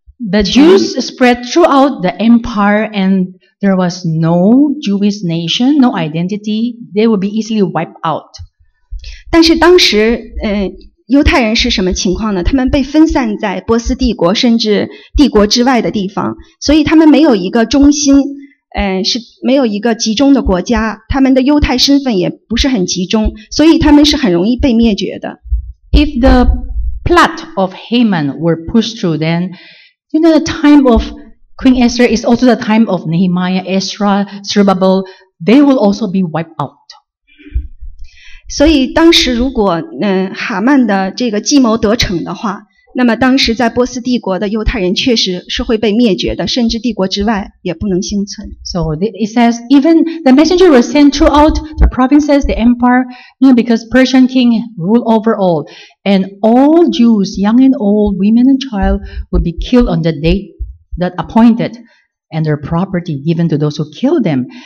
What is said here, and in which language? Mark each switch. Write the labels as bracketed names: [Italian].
[English] The Jews spread throughout the empire, and there was no Jewish nation, no identity. They would be easily wiped out. [Chinese] 但是当时，犹太人是什么情况呢？他们被分散在波斯帝国甚至帝国之外的地方，所以他们没有一个中心，是没有一个集中的国家。他们的犹太身份也不是很集中，所以他们是很容易被灭绝的。 [English] If the plot of Haman were pushed through, then you know the time of Queen Esther is also the time of Nehemiah, Ezra, Zerubbabel. They will also be wiped out. [Chinese] 所以当时如果哈曼的这个计谋得逞的话，那么当时在波斯帝国的犹太人确实是会被灭绝的，甚至帝国之外也不能幸存。 [English] So it says even the messenger was sent throughout the provinces, the empire, you know, because Persian king ruled over all, and all Jews, young and old, women and child, would be killed on the date that appointed, and their property given to those who killed them.